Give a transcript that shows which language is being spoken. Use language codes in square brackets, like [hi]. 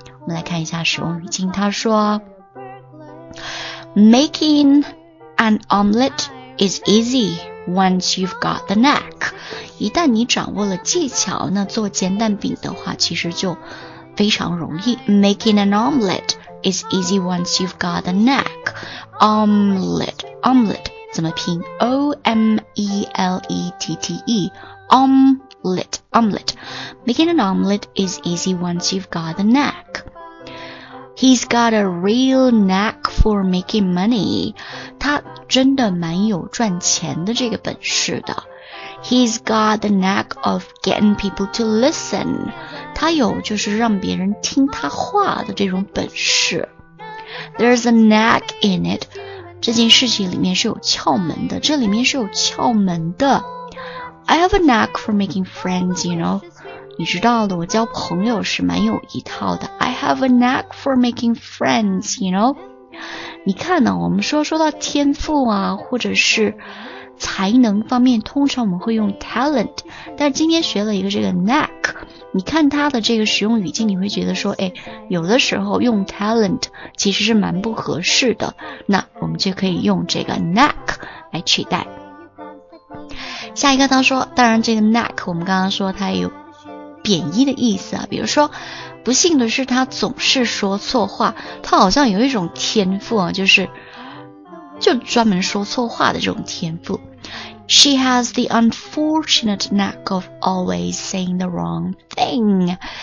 [zh] 我们来看一下使用语境。他说 [en] ,making an omelette is easy once you've got the knack. [zh] 一旦你掌握了技巧那做煎蛋饼的话其实就非常容易。 [en] Making an omelette is easy once you've got the knack. Omelette, omelette, [zh] 怎么拼 [en] ?O-M-E-L-E-T-T-E. Omelette, omelette. Making an omelette is easy once you've got the knack. He's got a real knack for making money. [zh] 他真的蛮有赚钱的这个本事的。 [en] He's got the knack of getting people to listen. [zh] 他有就是让别人听他话的这种本事。 [en] There's a knack in it. [zh] 这件事情里面是有窍门的。这里面是有窍门的。 [en] I have a knack for making friends, you know. [zh] 你知道的，我交朋友是蛮有一套的。 [en] I have a knack for making friends, you know. [zh] 你看呢，我们说到天赋啊，或者是才能方面，通常我们会用 talent。但今天学了一个这个 knack， 你看它的这个使用语境，你会觉得说，哎，有的时候用 talent 其实是蛮不合适的。那我们就可以用这个 knack 来取代。下一个他说，当然这个 neck 我们刚刚说它有贬义的意思啊，比如说不幸的是他总是说错话，他好像有一种天赋啊，就专门说错话的这种天赋。 [en] She has the unfortunate knack of always saying the wrong thing.